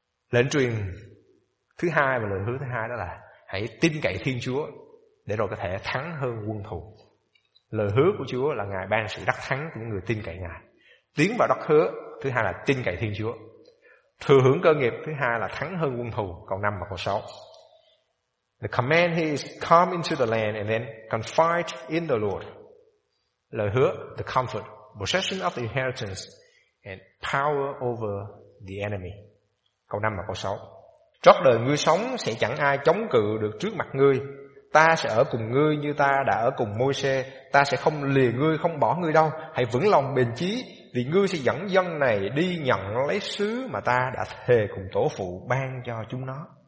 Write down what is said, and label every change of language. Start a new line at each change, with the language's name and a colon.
Vietnamese: Lệnh truyền thứ hai và lời hứa thứ hai đó là hãy tin cậy Thiên Chúa để rồi có thể thắng hơn quân thù. Lời hứa của Chúa là Ngài ban sự đắc thắng cho những người tin cậy Ngài. Tiến vào đất hứa, thứ hai là tin cậy Thiên Chúa. Thừa hưởng cơ nghiệp, thứ hai là thắng hơn quân thù, câu 5 và câu 6.
English: The command is come into the land and then confide in the Lord.
Vietnamese: Lời hứa,
English: the comfort, possession of the inheritance and power over the enemy.
Vietnamese: Câu 5 và câu 6. Trót đời ngươi sống sẽ chẳng ai chống cự được trước mặt ngươi. Ta sẽ ở cùng ngươi như ta đã ở cùng Môi-se. Ta sẽ không lìa ngươi, không bỏ ngươi đâu. Hãy vững lòng bền chí, vì ngươi sẽ dẫn dân này đi nhận lấy xứ mà ta đã thề cùng tổ phụ ban cho chúng nó.